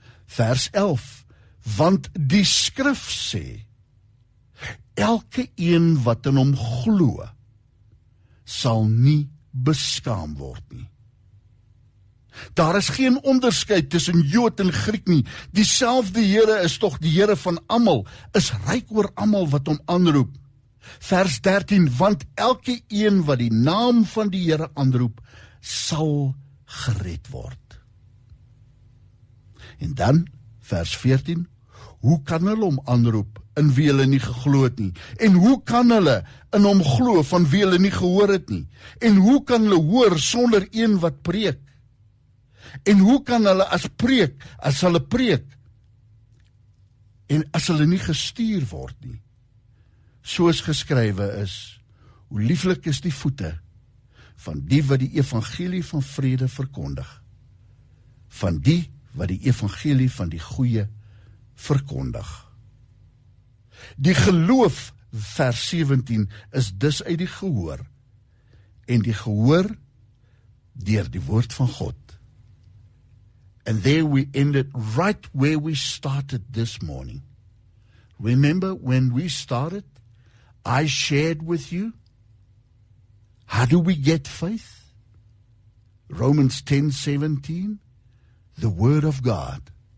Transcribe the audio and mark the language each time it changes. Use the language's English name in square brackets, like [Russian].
[Afrikaans] Vers 11, want die skrif sê, elke een wat in hom glo, sal nie beskaam word nie. Daar is geen onderskeid tussen Jood en Griek nie. Dieselfde Here is toch die Here van allemaal, is ryk oor allemaal wat hom aanroep. Vers 13, want elke een wat die naam van die Here aanroep, sal gered word. En dan, vers 14, hoe kan hulle hom aanroep in wie hulle nie geglo het nie? En hoe kan hulle in hom glo van wie hulle nie gehoor het nie? En hoe kan hulle hoor sonder een wat preek? En hoe kan hulle as hulle preek, en as hulle nie gestuur word nie? Soos geskrywe is, hoe lieflik is die voete van die wat die evangelie van vrede verkondig, van die wat die evangelie van die goeie verkondig. Die geloof, vers 17, is dus uit die gehoor, en die gehoor deur die woord van God. [English] And there we ended right where we started this morning. Remember when we started, I shared with you, how do we get faith? Romans 10:17, the word of God.